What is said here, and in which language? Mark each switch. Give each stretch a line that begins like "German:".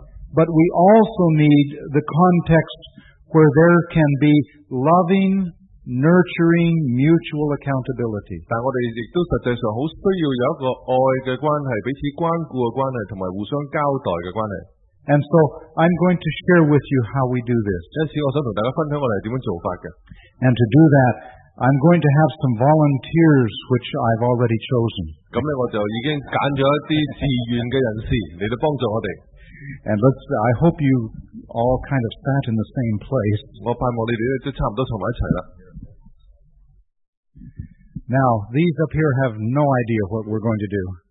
English: But we also need the context where there can be loving, nurturing, mutual accountability.
Cantonese: 但我哋亦都实际上好需要有一个爱嘅关系，彼此关顾嘅关系，同埋互相交代嘅关系。
English: And so I'm going to share with you how we do this.
Cantonese: 因此，我想同大家分享我哋点样做法嘅。
English: And to do that, I'm going to have some volunteers which I've already chosen.
Cantonese: 咁咧，我就已经拣咗一啲自愿嘅人士嚟到帮助我哋。
English: And I hope you all kind of sat in the same place.
Cantonese: 我盼望你哋都差唔多坐埋一齐啦。
English: Now, these up here have no idea what we're going to do.